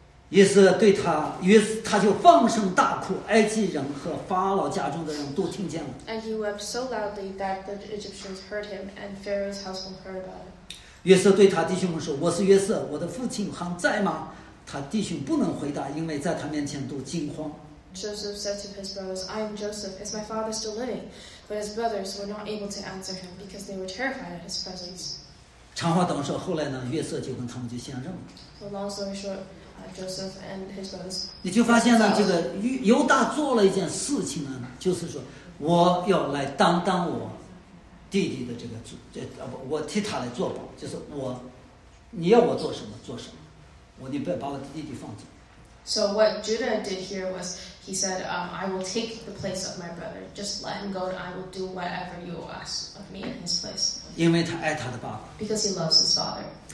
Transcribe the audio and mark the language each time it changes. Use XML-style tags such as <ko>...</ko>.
<zh>于是对他，于是他就放声大哭，埃及人和法老家中的人都听见了。</zh> <en>And he wept so loudly that the Egyptians heard him, and Pharaoh's household heard about it.</en> <zh>约瑟对他弟兄们说：“我是约瑟，我的父亲还在吗？” 他弟兄不能回答，因为在他面前都惊慌。</zh> <en>Joseph said to his brothers, "I am Joseph. Is my father still living?" But his brothers were not able to answer him because they were terrified at his presence.</en> <zh>长话短说，后来呢，约瑟就跟他们就相认了。</zh> <en>So long story short, Joseph and his brothers.</en> <zh>你就发现呢，这个犹大做了一件事情呢，就是说我要来担当我弟弟的这个主，我替他来做保，就是我，你要我做什么做什么，你不要把我弟弟放走。</zh> <en>So what Judah did here was He said, I will take the place of my brother. Just let him go and I will do whatever you ask of me in his place.</en> <zh>因为他爱他的爸爸。</zh> <en>Because he loves his father.</en>